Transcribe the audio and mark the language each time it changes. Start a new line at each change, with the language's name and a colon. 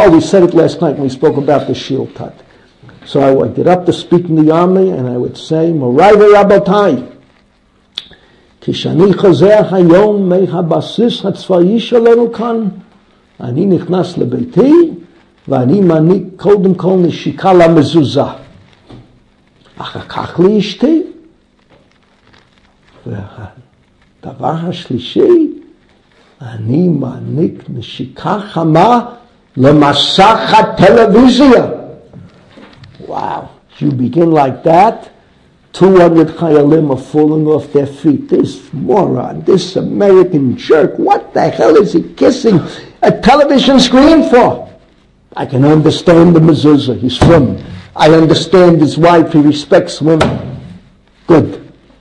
English: Oh, we said it last night when we spoke about the shield tut. So I would get up to speak in the army, and I would say,
Hebrew: Morai v'rabotai, kishani chazer hayom mehabasis hatzvayi shalenu kan, ani nichnas lebeiti, ואני מעניק קודם כל נשיקה למזוזה. אחר כך לאשתי, והדבר השלישי, אני מעניק נשיקה חמה למסך הטלוויזיה.
English: Wow, you begin like that, 200 חיילים are falling off their feet. This moron, this American jerk, what the hell is he kissing a television screen for? I can understand the mezuzah, he's from. I understand his wife, he respects women. Good.